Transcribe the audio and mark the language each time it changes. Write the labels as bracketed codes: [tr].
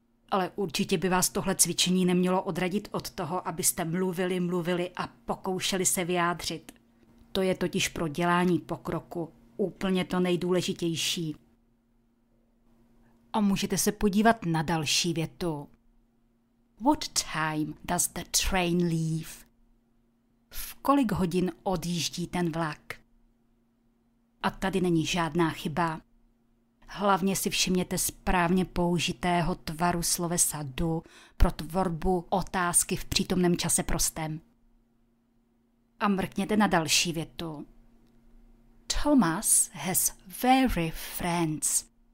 [cs] Ale určitě by vás tohle cvičení nemělo odradit od toho, abyste mluvili a pokoušeli se vyjádřit. To je totiž pro dělání pokroku úplně to nejdůležitější. A můžete se podívat na další větu. [en] What time does the train leave? [cs] V kolik hodin odjíždí ten vlak? A tady není žádná chyba. Hlavně si všimněte správně použitého tvaru slovesa do pro tvorbu otázky v přítomném čase prostém. A mrkněte na další větu. [en] Thomas has very friends.